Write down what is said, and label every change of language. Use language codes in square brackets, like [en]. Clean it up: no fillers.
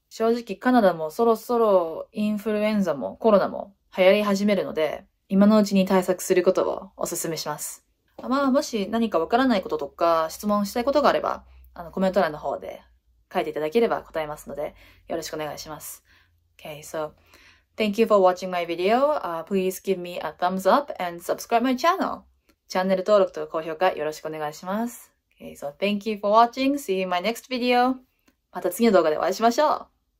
[ja] 正直カナダもそろそろインフルエンザもコロナも流行り始めるので、今のうちに対策することをお勧めします。まあ、もし何かわからないこととか質問したいことがあれば、コメント欄の方で書いていただければ答えますので、よろしくお願いします。 [en] Okay, so, thank you for watching my video. Please give me a thumbs up and subscribe my channel. [ja] チャンネル登録と高評価よろしくお願いします。 [en] Okay, so, thank you for watching. See you in my next video. [ja] また次の動画でお会いしましょう。